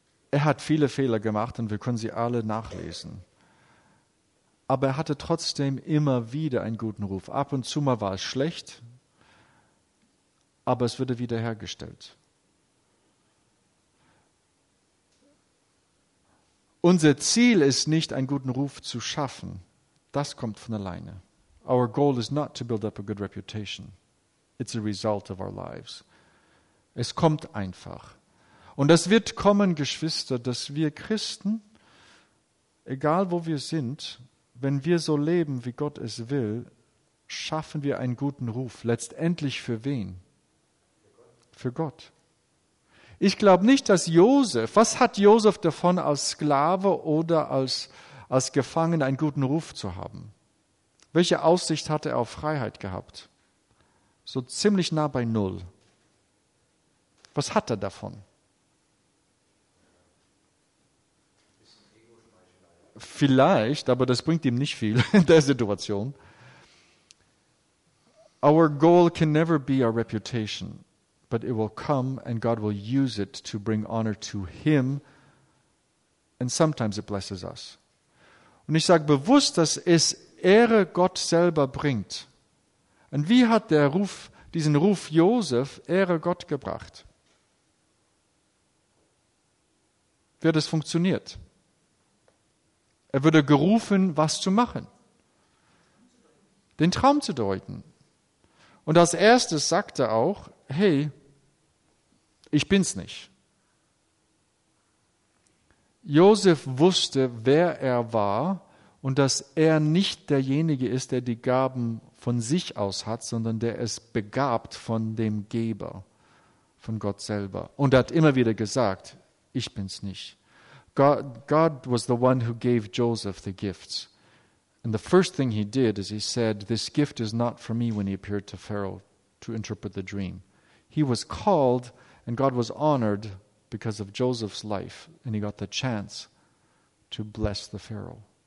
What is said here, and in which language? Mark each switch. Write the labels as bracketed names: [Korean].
[German] Er hat viele Fehler gemacht und wir können sie alle nachlesen. Aber er hatte trotzdem immer wieder einen guten Ruf. Ab und zu mal war es schlecht, aber es wurde wiederhergestellt. Unser Ziel ist nicht, einen guten Ruf zu schaffen. Das kommt von alleine. [English] Our goal is not to build up a good reputation. It's a result of our lives. [German] Es kommt einfach. Und das wird kommen, Geschwister, dass wir Christen, egal wo wir sind, wenn wir so leben, wie Gott es will, schaffen wir einen guten Ruf. Letztendlich für wen? Für Gott. Ich glaube nicht, dass Josef, was hat Josef davon, als Sklave oder als Gefangener einen guten Ruf zu haben? Welche Aussicht hatte er auf Freiheit gehabt? So ziemlich nah bei Null. Was hat er davon? Vielleicht, aber das bringt ihm nicht viel in der Situation. [English] Our goal can never be our reputation, but it will come and God will use it to bring honor to him and sometimes it blesses us. [German] Und ich sage bewusst, dass es Ehre Gott selber bringt. Und wie hat der Ruf, diesen Ruf Josef, Ehre Gott gebracht? Wie hat es funktioniert? Er wurde gerufen, was zu machen. Den Traum zu deuten. Und als erstes sagt er auch, hey, ich bin's nicht. Josef wusste, wer er war und dass er nicht derjenige ist, der die Gaben von sich aus hat, sondern der es begabt von dem Geber, von Gott selber. Und er hat immer wieder gesagt, ich bin's nicht. [English] God was the one who gave Joseph the gifts. And the first thing he did is he said, this gift is not for me, when he appeared to Pharaoh to interpret the dream. He was called and God was honored because of Joseph's life and he got the chance to bless the Pharaoh.